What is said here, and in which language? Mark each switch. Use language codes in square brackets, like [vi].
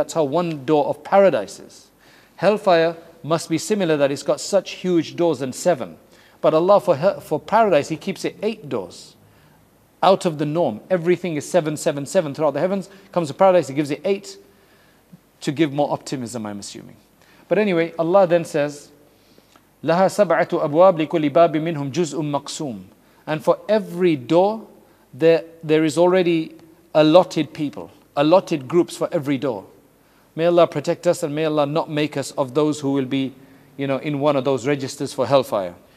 [en] That's how one door of paradise is. Hellfire must be similar, that it's got such huge doors and seven. But Allah, for paradise, He keeps it eight doors. Out of the norm, everything is seven, seven, seven throughout the heavens. Comes to paradise, He gives it eight to give more optimism, I'm assuming. But anyway, Allah then says, [ar] لَهَا سَبْعَةُ أَبْوَابِ لِكُلِّ بَابٍ مِّنْهُمْ جُزْءٌ مَقْسُومٌ. [en] And for every door, there is already allotted people, allotted groups for every door. May Allah protect us, and may Allah not make us of those who will be, you know, in one of those registers for hellfire.